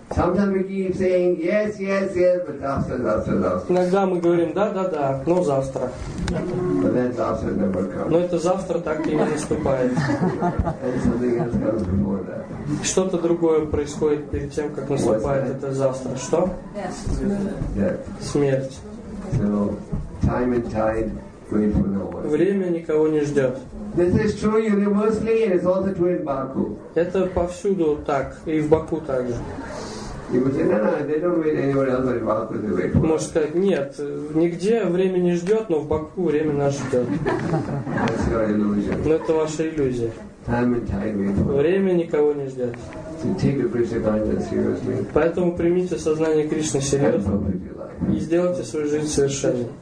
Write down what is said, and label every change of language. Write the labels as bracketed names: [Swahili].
[English] Sometimes we keep saying yes, yes, yes, but after, after, after. [Russian] Иногда мы говорим да, да, да, но завтра. [English] But then after never comes. [Russian] Но это завтра так и не наступает. [English] And something else comes before that. Что-то другое происходит перед тем, как наступает это завтра. [Russian] Что? [English] Yes. [Russian] Смерть. [English] So, time and tide wait for no one. [Russian] Время никого не ждет. [English] This is true universally, and it's also true in Baku. [Russian] Это повсюду так, и в Баку также. [English] You would say, no, no, they don't wait anywhere else, but in Baku they wait for. [Russian] Можешь сказать, нет, нигде время не ждет, но в Баку время нас ждет. [English] That's your illusion. [Russian] Но это ваша иллюзия. [English] Time and tide wait for. [Russian] Время никого не ждет. [English] So take your Krishna consciousness seriously. [Russian] Поэтому примите сознание Кришны серьезно. И сделайте свою жизнь совершенной.